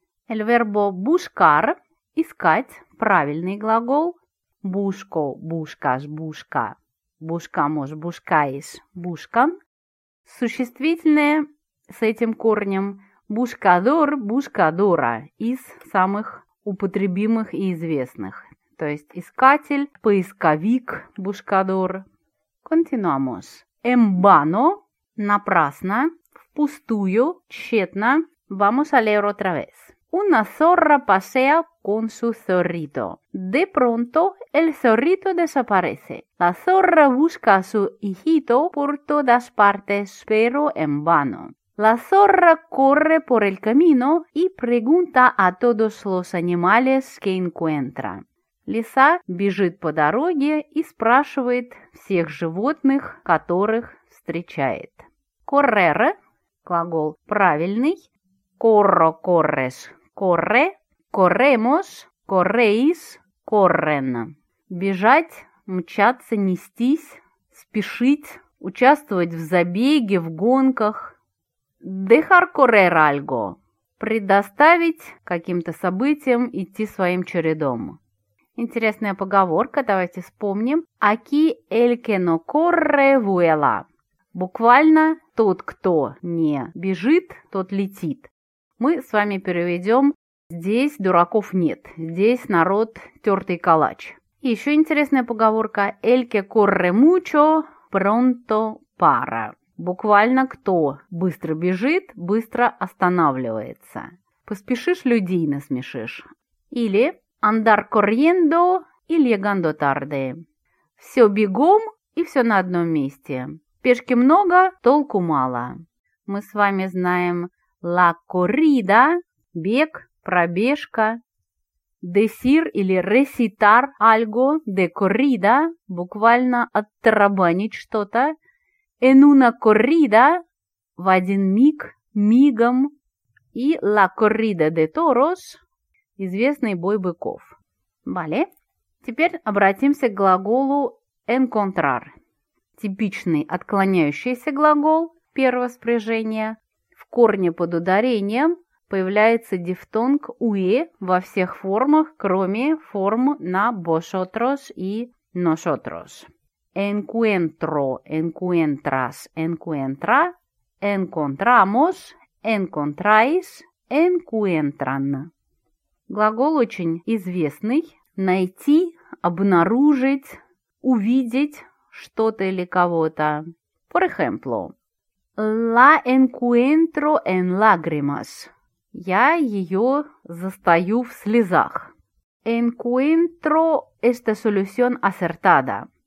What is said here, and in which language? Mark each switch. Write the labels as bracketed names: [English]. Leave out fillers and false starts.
[Spanish] El verbo buscar. [Russian] Искать. Правильный глагол. [Spanish] Busco. Buscas. Busca. Buscamos. Buscáis. Buscan. [Russian] Существительное с этим корнем. [Spanish] Buscador. Buscadora. [Russian] Из самых употребимых и известных, то есть искатель, поисковик, бушкадор. [Spanish] Continuamos. [Russian] Эмбано – напрасно, впустую, тщетно. [Spanish] Vamos a leer otra vez. Una zorra pasea con su zorrito. De pronto, el zorrito desaparece. La zorra busca a su hijito por todas partes, pero en vano. La zorra corre por el camino y pregunta a todos los animales que encuentra. [Russian] Лиса бежит по дороге и спрашивает всех животных, которых встречает. Correre – глагол правильный. [Spanish] Corro – corres – corre. Corremos – correis – corren. [Russian] Бежать, мчаться, нестись, спешить, участвовать в забеге, в гонках. [Spanish] Dejar correr algo [Russian] – предоставить каким-то событиям идти своим чередом. Интересная поговорка, давайте вспомним. [Spanish] Aquí el que no corre vuela. [Russian] Буквально тот, кто не бежит, тот летит. Мы с вами переведем «здесь дураков нет», «здесь народ тертый калач». Еще интересная поговорка [Spanish] «el que corre mucho pronto para». [Russian] Буквально кто быстро бежит, быстро останавливается. Поспешишь, людей насмешишь. [Spanish] Или «andar corriendo» и «llegando tarde». [Russian] Все бегом и все на одном месте. Пешки много, толку мало. Мы с вами знаем «la corrida» – бег, пробежка. «Decir» или [Spanish] «recitar algo de corrida» [Russian] – буквально «оттарабанить что-то». [Spanish] «En una corrida» [Russian] – в один миг, мигом. И [Spanish] «la corrida de toros» [Russian] – известный бой быков. [Spanish] Vale. [Russian] Теперь обратимся к глаголу encontrar. Типичный отклоняющийся глагол первого спряжения. В корне под ударением появляется дифтонг «уе» во всех формах, кроме форм на «vosotros» и «nosotros». [Spanish] Encuentro, encuentras, encuentra. Encontramos, encontráis, encuentran. [Russian] Глагол очень известный. Найти, обнаружить, увидеть что-то или кого-то. [Spanish] Por ejemplo, la encuentro en lágrimas. [Russian] Я ее застаю в слезах. [Spanish] Encuentro esta solución acertada.